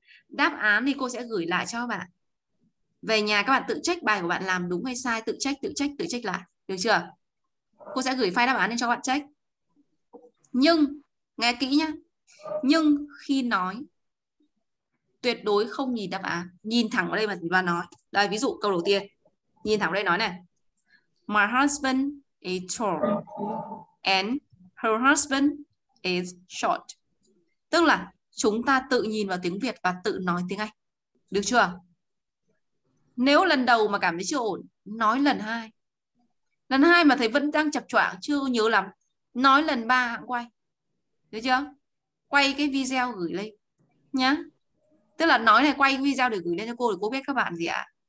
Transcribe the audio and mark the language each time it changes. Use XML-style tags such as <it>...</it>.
<vi>Đáp án thì cô sẽ gửi lại cho bạn. Về nhà các bạn tự check bài của bạn làm đúng hay sai, tự check lại, được chưa? Cô sẽ gửi file đáp án lên cho bạn check. Nhưng nghe kỹ nhá. Nhưng khi nói tuyệt đối không nhìn đáp án, nhìn thẳng vào đây mà nói. Đây ví dụ câu đầu tiên. Nhìn thẳng vào đây nói này.</vi> <en>My husband is tall and her husband is short.</en> <vi>Tức là chúng ta tự nhìn vào tiếng Việt và tự nói tiếng Anh. Được chưa? Nếu lần đầu mà cảm thấy chưa ổn, nói lần hai. Lần hai mà thấy vẫn đang chập choạng, chưa nhớ lắm, nói lần ba hãng quay. Được chưa? Quay cái video gửi lên nhá. Tức là nói này, quay cái video để gửi lên cho cô, để cô biết các bạn gì ạ.</vi>